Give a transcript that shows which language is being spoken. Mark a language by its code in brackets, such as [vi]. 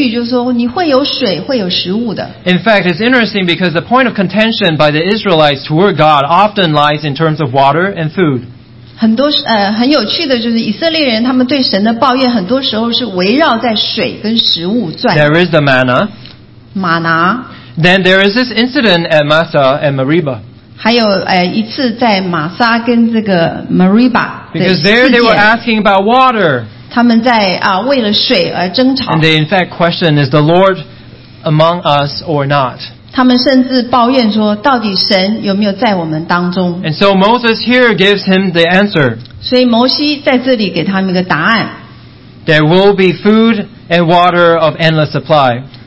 [zh] 给他们的一些确据就是说你会有水会有食物的。 [en] In fact, it's interesting because the point of contention by the Israelites toward God often lies in terms of water and food. [zh] 很有趣的就是以色列人他们对神的抱怨很多时候是围绕在水跟食物转。 [en] There is the manna. [zh] 玛拿。 [en] Then there is this incident at Massa and Meribah. [zh] 还有一次在玛撒跟这个Meribah. [en] Because there they were asking about water. [zh] 他们在为了水而争吵。 [en] And they in fact question, is the Lord among us or not? [zh] 他们甚至抱怨说到底神有没有在我们当中。 [en] And so Moses here gives him the answer. [zh] 所以摩西在这里给他们一个答案。 [en] There will be food and water of endless supply.